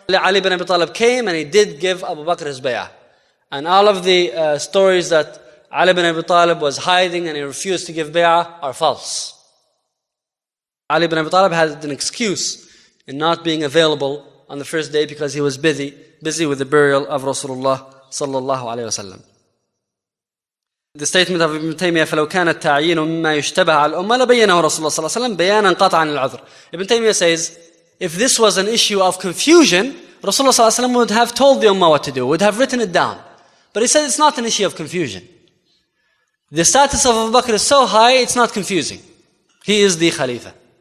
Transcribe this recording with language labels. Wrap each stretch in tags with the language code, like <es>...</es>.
<en>Ali ibn Abi Talib came and he did give Abu Bakr his bay'ah. And all of the stories that Ali ibn Abi Talib was hiding and he refused to give bay'ah are false. Ali ibn Abi Talib had an excuse in not being available on the first day because he was busy with the burial of Rasulullah sallallahu alayhi wasallam. The statement of Ibn Taymiyyah,</en> <ar>فَلَوْ كَانَ التَّعْيِينُ مِمَّا يُشْتَبَهَ عَلَى الْأُمَّةِ لَبَيَّنَهُ رَسُولُ اللَّهِ صَلَّى اللَّهُ عَلَيْهِ وَسَلَّمَ بَيَانًا قَطْعًا لِلْعُذْرِ.</ar> <en>Ibn Taymiyyah says, if this was an issue of confusion, Rasulullah sallallahu alayhi wasallam would have told the ummah what to do, would have written it down. But he said it's not an issue of confusion. The status of Abu Bakr is so high, it's not confusing. He is the Khalifa.</en>